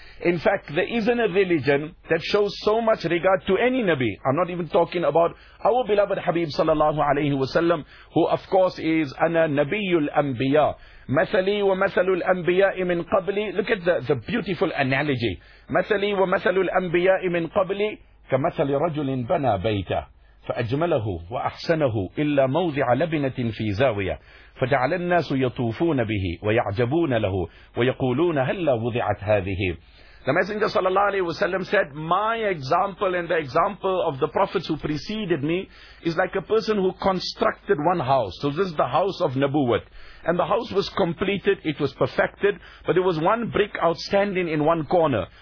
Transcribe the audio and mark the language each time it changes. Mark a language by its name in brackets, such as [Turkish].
[English] In fact, there isn't a religion that shows so much regard to any Nabi. I'm not even talking about our beloved Habib sallallahu alayhi wasallam, who of course is [Arabic] ana nabiyul anbiya. Mathali wa mathalul anbiya'i min qabli. [English] Look at the beautiful analogy. [Arabic] Mathali wa mathalul anbiya'i min qabli. Ka mathali rajulin bana bayta. فأجمله وأحسنه إلا موضع لبنة في زاوية فجعل الناس يطوفون به ويعجبون له ويقولون هل وضعت هذه. [English] The Messenger sallallahu alayhi wasallam said, my example and the example of the prophets who preceded me is like a person who constructed one house. So this is the house of Nabuwat. And the house was completed, it was perfected, but there was one brick outstanding in one corner.